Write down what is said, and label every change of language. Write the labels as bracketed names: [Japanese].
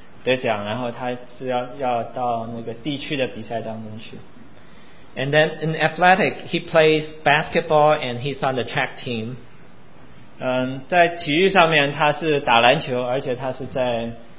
[Chinese] 得奖，然后他是要到那个地区的比赛当中去。 [English] And then in athletic, he plays basketball and he's on the track team. [Chinese] 在体育上面他是打篮球，而且他是在